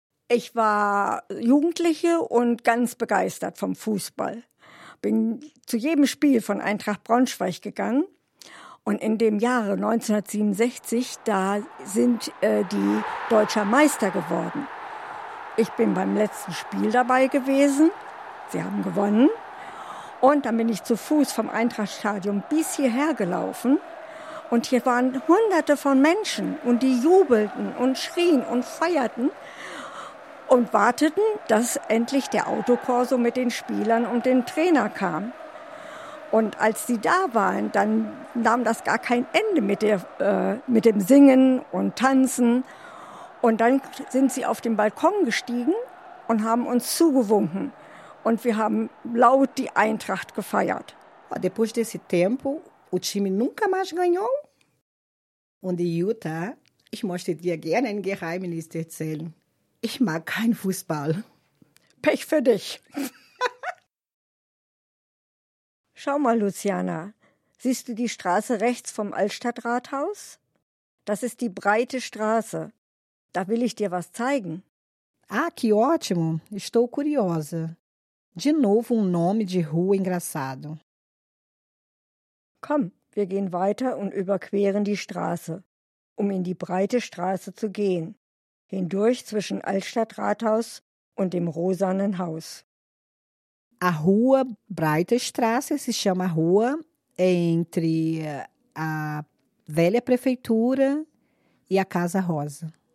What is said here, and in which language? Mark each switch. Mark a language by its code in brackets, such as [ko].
[de] Ich war Jugendliche und ganz begeistert vom Fußball. Bin zu jedem Spiel von Eintracht Braunschweig gegangen. Und in dem Jahre 1967, da sind die Deutscher Meister geworden. Ich bin beim letzten Spiel dabei gewesen. Sie haben gewonnen. Und dann bin ich zu Fuß vom Eintrachtstadion bis hierher gelaufen. Und hier waren Hunderte von Menschen. Und die jubelten und schrien und feierten. Und warteten, dass endlich der Autokorso mit den Spielern und dem Trainer kam. Und als sie da waren, dann nahm das gar kein Ende mit dem Singen und Tanzen. Und dann sind sie auf den Balkon gestiegen und haben uns zugewunken. Und wir haben laut die Eintracht gefeiert. [pt] Depois desse tempo, o time nunca mais ganhou. [de] Und Jutta, ich möchte dir gerne ein Geheimnis erzählen. Ich mag keinen Fußball. Pech für dich. Schau mal, Luciana, siehst du die Straße rechts vom Altstadtrathaus? Das ist die breite Straße. Da will ich dir was zeigen. [pt] Ah, que ótimo. Estou curiosa. De novo nome de rua engraçado. [de] Komm, wir gehen weiter und überqueren die Straße, um in die breite Straße zu gehen. Hindurch zwischen Altstadtrathaus und dem rosanen Haus. [pt] A rua Breite Straße se chama rua entre a velha prefeitura e a Casa Rosa.